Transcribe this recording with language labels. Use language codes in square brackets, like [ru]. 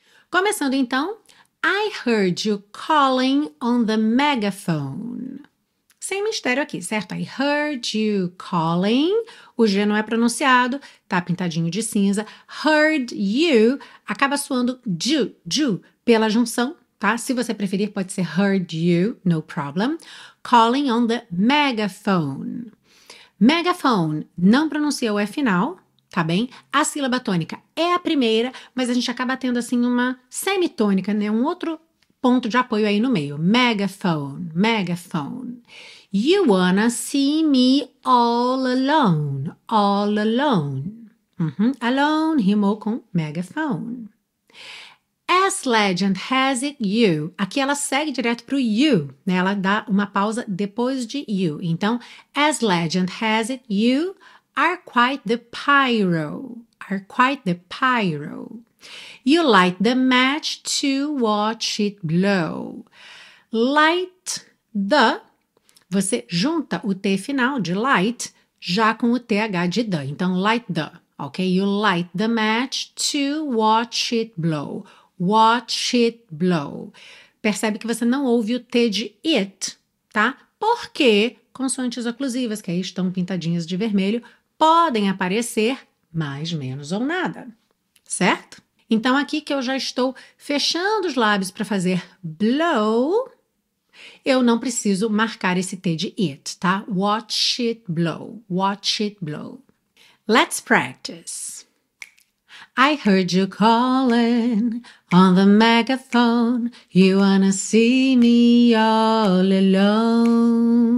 [pt] Começando então, [en] I heard you calling on the megaphone. [pt] Sem mistério aqui, certo? [en] I heard you calling. [pt] O G não é pronunciado, tá pintadinho de cinza. [en] Heard you [pt] acaba soando ju pela junção, tá? Se você preferir, pode ser [en] heard you, no problem. Calling on the megaphone. [pt] Megaphone, não pronuncia o F final, tá bem? A sílaba tônica é a primeira, mas a gente acaba tendo assim uma semitônica, né? Um outro ponto de apoio aí no meio. [en] Megaphone, megaphone. You wanna see me all alone, all alone. Alone [pt] rimou com [en] megaphone. As legend has it, you. [pt] Aqui ela segue direto pro you, né? Ela dá uma pausa depois de you. [en] Então, as legend has it, you are quite the pyro. Are quite the pyro. You light the match to watch it blow. Light the. [pt] Você junta o T final de light já com o TH de the. Então, [en] light the. [pt] Ok? [en] You light the match to watch it blow. Watch it blow. [pt] Percebe que você não ouve o T de it, tá? Porque consoantes oclusivas, que aí estão pintadinhas de vermelho, podem aparecer mais, menos ou nada, certo? Então, aqui que eu já estou fechando os lábios para fazer blow, eu não preciso marcar esse T de it, tá? [en] Watch it blow, watch it blow. Let's practice. I heard you calling on the megaphone. You wanna see me all alone.